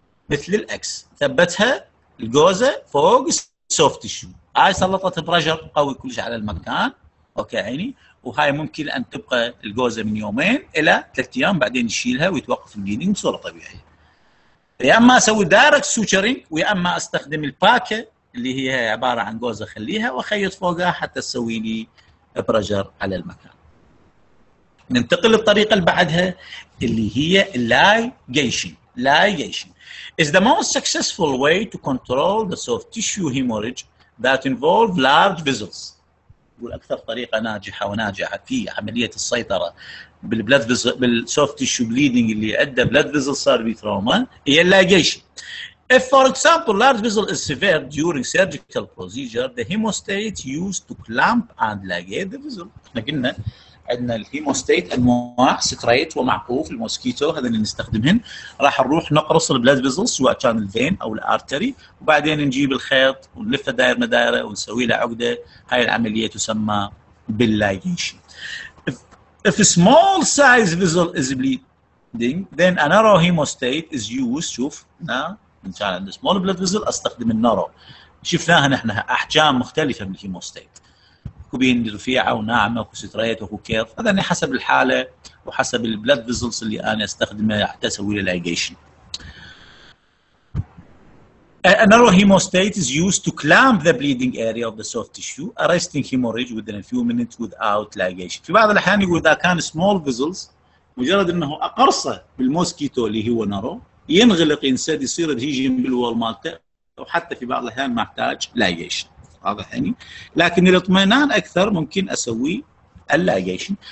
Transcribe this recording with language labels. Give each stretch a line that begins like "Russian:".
Arabic: مثل الاكس ثبتها الجوزه فوق السوفت تيشو هاي سلطت برجر قوي كلش على المكان اوكي عيني وهاي ممكن ان تبقى الجوزه من يومين الى ثلاث ايام بعدين يشيلها ويتوقف البليدنج بصوره طبيعيه. يا اما اسوي دايركت سوتشرنج ويا اما استخدم الباكه اللي هي عباره عن جوزه اخليها واخيط فوقها حتى تسوي لي برجر على المكان. ننتقل للطريقه اللي بعدها اللي هي اللايجيشن.
English: اللايجيشن is the most successful way to control the soft tissue hemorrhage that involves large vessels.
Arabic: والاكثر طريقه ناجحه وناجحه في عمليه السيطره بالبلد بالسوفت تيشو بليدنج اللي عنده بلد فيزل صار بي تروما هي اللاجيشن.
English: If for example large vessel is severed during surgical procedure the hemostat used to clamp and ligate the vessel.
Arabic: احنا قلنا عندنا الهيموستات انواع ستريت ومعقوف الموسكيتو هذا اللي نستخدمهن راح نروح نقرص البلاد فيزل سواء كان الفين او الارتري وبعدين نجيب الخيط ونلفه داير مدايره ونسوي له عقده هاي العمليه تسمى باللايجيشن.
English: If a small size vessel is bleeding then a narrow hemostat is used.
Arabic: شوف هنا ان كان عندنا small blood vessel استخدم النارو شفناها نحن احجام مختلفه من الهيموستات كوبين رفيعه وناعمه وستريت وكيف هذا يعني حسب الحاله وحسب البلد فيزلز اللي انا استخدمه حتى اسوي له لايجيشن.
English: Another hemostat is used to clamp the bleeding area of the soft tissue, arresting hemorrhage within a few minutes without ligation.
Arabic: في بعض الاحيان يقول اذا كان small vessels مجرد انه اقرصه بالموسكيتو اللي هو نارو ينغلق ينسد يصير الهيجين بالوال مالته وحتى في بعض الاحيان ما احتاج ligation. واضح يعني لكن الاطمئنان اكثر ممكن اسوي اللايجيشن.